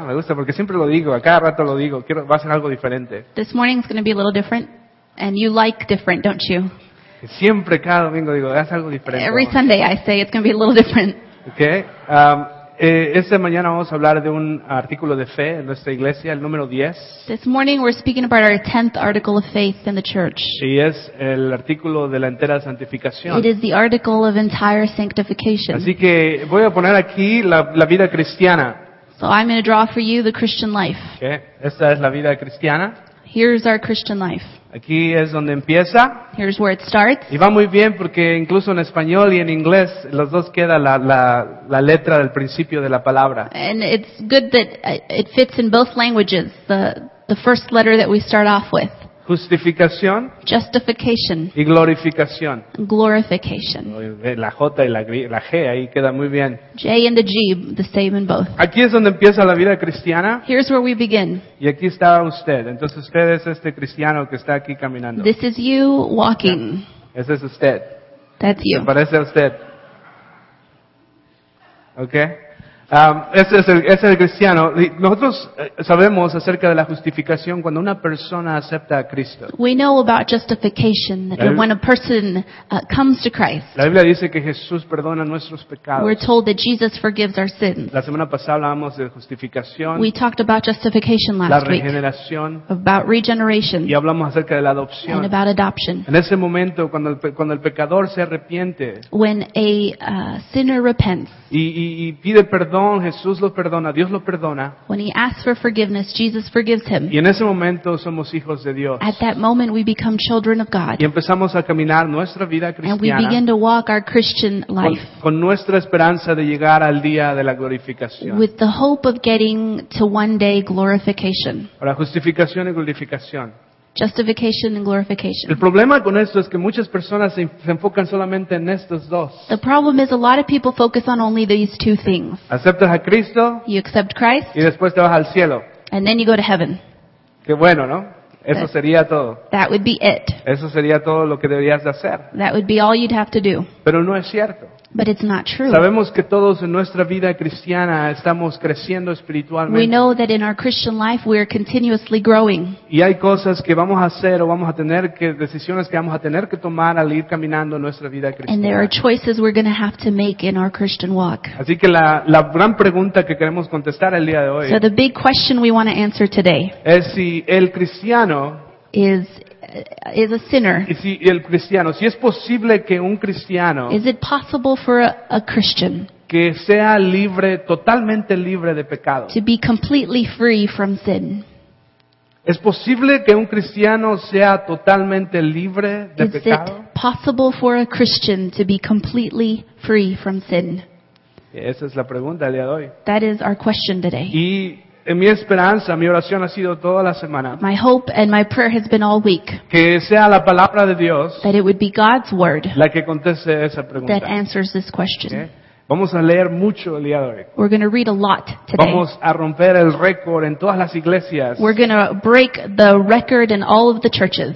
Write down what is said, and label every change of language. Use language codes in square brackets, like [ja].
[es] Me gusta porque siempre lo digo, a cada rato lo digo. Quiero, va a ser algo diferente. [en] This morning is going to be a little different, and you like different, don't you? [es] Siempre cada domingo digo, haz algo diferente. [en] Every Sunday I say it's going to be a little different. Okay. [es] Esta mañana vamos a hablar de un artículo de fe en nuestra iglesia, el número 10. [en] This morning we're speaking about our 10th article of faith in the church. [es] Y es el artículo de la entera santificación. [en] It is the article of entire sanctification. [es] Así que voy a poner aquí la vida cristiana. [en] So I'm going to draw for you the Christian life. [es] Okay. Esta es la vida cristiana. [en] Here's our Christian life. [es] Aquí es donde empieza. [en] Here's where it starts. [es] Y va muy bien porque incluso en español y en inglés los dos queda la letra del principio de la palabra. [en] And it's good that it fits in both languages, the first letter that we start off with. [es] Justificación. [en] Justification. [es] Y glorificación. [en] Glorification. [es] La J y la G ahí queda muy bien. [en] J and the G, the same in both. [es] Aquí es donde empieza la vida cristiana. [en] Here's where we begin. [es] Y aquí está usted. Entonces usted es este cristiano que está aquí caminando. [en] This is you walking. [es] Ese es usted. [en] That's you. [es] ¿Se parece a usted? Okay. Ese es el cristiano. Nosotros sabemos acerca de la justificación cuando una persona acepta a Cristo. [en] We know about justification that when a person comes to Christ. [es] La Biblia dice que Jesús perdona nuestros pecados. [en] We're told that Jesus forgives our sins. [es] La semana pasada hablamos de justificación. [en] We talked about justification last week. [es] La regeneración. [en] About regeneration. [es] Y hablamos acerca de la adopción. [en] And about adoption. [es] En ese momento cuando el pecador se arrepiente. [en] When a sinner repents. [es] Y pide perdón. Jesús lo perdona, Dios lo perdona. [en] When he asks for forgiveness, Jesus forgives him. [es] Y en ese momento somos hijos de Dios. [en] At that moment we become children of God. [es] Y empezamos a caminar nuestra vida cristiana. [en] And we begin to walk our Christian life. [es] Con nuestra esperanza de llegar al día de la glorificación. [en] With the hope of getting to one day glorification. [es] Para justificación y glorificación. [en] Justification and glorification. [es] El problema con esto es que muchas personas se enfocan solamente en estos dos. [en] The problem is a lot of people focus on only these two things. [es] Aceptas a Cristo. [en] You accept Christ. [es] Y después te vas al cielo. [en] And then you go to heaven. [es] Qué bueno, ¿no? Eso sería todo. [en] That would be it. [es] Eso sería todo lo que deberías de hacer. [en] That would be all you'd have to do. [es] Pero no es cierto. [en] But it's not true. [es] Sabemos que todos en nuestra vida cristiana estamos creciendo espiritualmente. [en] We know that in our Christian life we are continuously growing. [es] Y hay cosas que vamos a hacer o vamos a tener que decisiones que vamos a tener que tomar al ir caminando en nuestra vida cristiana. [en] And there are choices we're going to have to make in our Christian walk. [es] Así que la gran pregunta que queremos contestar el día de hoy. [en] So the big question we want to answer today. [es] Es si el cristiano [en] is a sinner. [es] Si el cristiano, si es posible que un cristiano, [en] is it possible for a Christian [es] que sea libre, totalmente libre de pecado, [en] to be completely free from sin? [es] ¿Es posible que un cristiano sea totalmente libre de [en] is [es] pecado? [en] It possible for a Christian to be completely free from sin? [es] Esa es la pregunta del día de hoy. [en] That is our question today. [es] Y mi esperanza, mi oración ha sido toda la semana. [en] My hope and my prayer has been all week. [es] Que sea la palabra de Dios. [en] That it would be God's word. [es] La que conteste esa pregunta. [en] That answers this question. Okay. [es] Vamos a leer mucho el día de hoy. [en] We're going to read a lot today. [es] Vamos a romper el récord en todas las iglesias. [en] We're going to break the record in all of the churches.